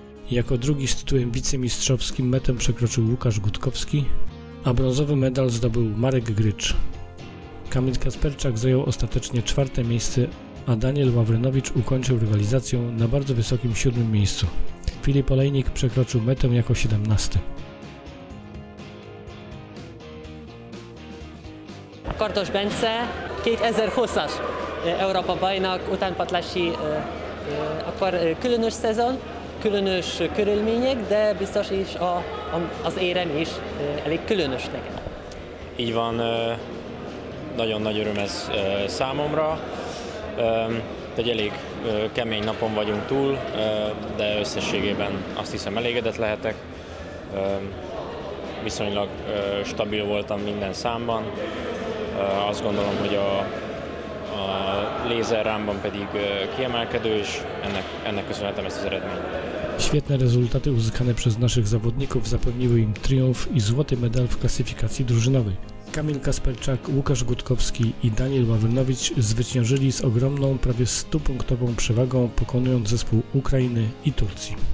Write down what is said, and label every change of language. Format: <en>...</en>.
<pl>Jako drugi z tytułem wicemistrzowskim metę przekroczył Łukasz Gutkowski, a brązowy medal zdobył Marek Grycz. Kamil Kasperczak zajął ostatecznie 4. miejsce, a Daniel Ławrynowicz ukończył rywalizację na bardzo wysokim 7. miejscu. Filip Olejnik przekroczył metę jako 17.</pl> <hu>Kardosz Bence, 2020 Európa-bajnok, utánpatlási akkor különös szezon, különös körülmények, de biztos is az érem is elég különös nekem. Így van, nagyon nagy öröm ez számomra. Egy elég kemény napon vagyunk túl, de összességében azt hiszem elégedett lehetek. Viszonylag stabil voltam minden számban. Azt gondolom, hogy a lézer rámban pedig kiemelkedő, és ennek köszönhetem ezt az eredményt.</hu> <pl>Świetne rezultaty uzyskane przez naszych zawodników zapewniły im triumf i złoty medal w klasyfikacji drużynowej. Kamil Kasperczak, Łukasz Gutkowski i Daniel Wawelnowicz zwyciężyli z ogromną, prawie 100-punktową przewagą, pokonując zespół Ukrainy i Turcji.</pl>